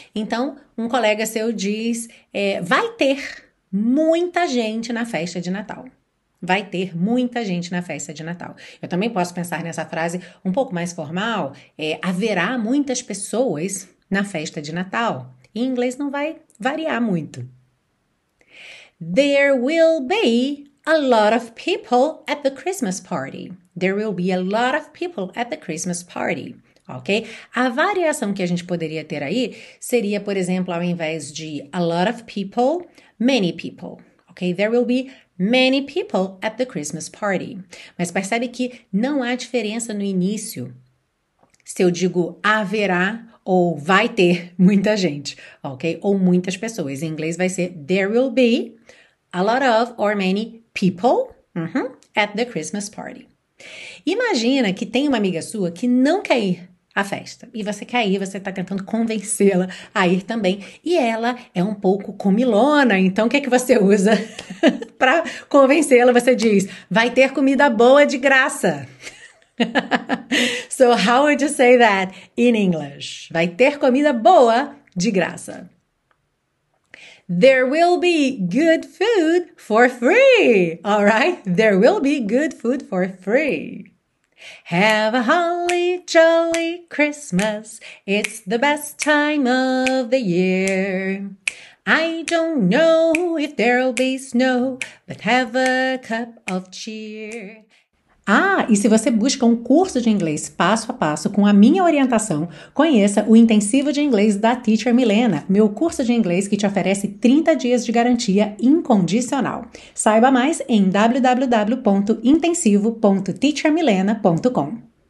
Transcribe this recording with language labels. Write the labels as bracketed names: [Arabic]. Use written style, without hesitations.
[Portuguese] Então, um colega seu diz, vai ter muita gente na festa de Natal. Vai ter muita gente na festa de Natal. Eu também posso pensar nessa frase um pouco mais formal. Haverá muitas pessoas na festa de Natal. Em inglês não vai variar muito. [English] There will be a lot of people at the Christmas party. There will be a lot of people at the Christmas party. Ok? [Portuguese] A variação que a gente poderia ter aí seria, por exemplo, ao invés de [English] a lot of people, many people. Ok? There will be many people at the Christmas party. [Portuguese] Mas percebe que não há diferença no início se eu digo haverá ou vai ter muita gente, ok? Ou muitas pessoas. Em inglês vai ser [English] there will be a lot of or many people at the Christmas party. [Portuguese] Imagina que tem uma amiga sua que não quer ir à festa. E você quer ir, você está tentando convencê-la a ir também. E ela é um pouco comilona, então o que é que você usa para convencê-la? Você diz, vai ter comida boa de graça. [English] So how would you say that in English? [Portuguese] Vai ter comida boa de graça. [English] There will be good food for free. All right? There will be good food for free. Have a holly jolly Christmas. It's the best time of the year. I don't know if there'll be snow, but have a cup of cheer. [Portuguese] Ah, e se você busca um curso de inglês passo a passo com a minha orientação, conheça o Intensivo de Inglês da Teacher Milena, meu curso de inglês que te oferece 30 dias de garantia incondicional. Saiba mais em www.intensivo.teachermilena.com.